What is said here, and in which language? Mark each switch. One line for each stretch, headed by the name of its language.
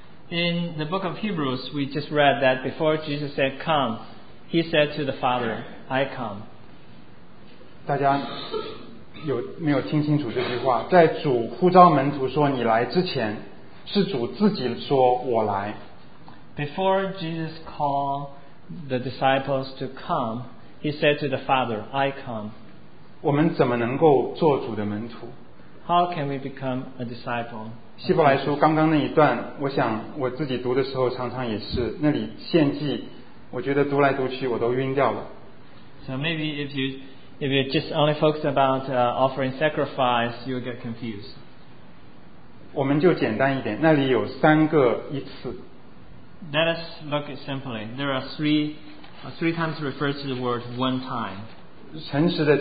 English: In the book of Hebrews, we just read that before Jesus said come, he said to the Father, I come.
Chinese: 大家有没有听清楚这句话？在主呼召门徒说你来之前，是主自己说我来。
English: Before Jesus called the disciples to come, he said to the Father, I come.
Chinese: 我们怎么能够做主的门徒？
English: How can we become a disciple?
Chinese: 希伯来书刚刚那一段，我想我自己读的时候常常也是，那里献祭，我觉得读来读去我都晕掉了。
English: So maybe if you just only focus about offering sacrifice, you'll get confused.
Chinese: 我们就简单一点，那里有三个一次。
English: Let us look at simply. There are three times referred to the word one time.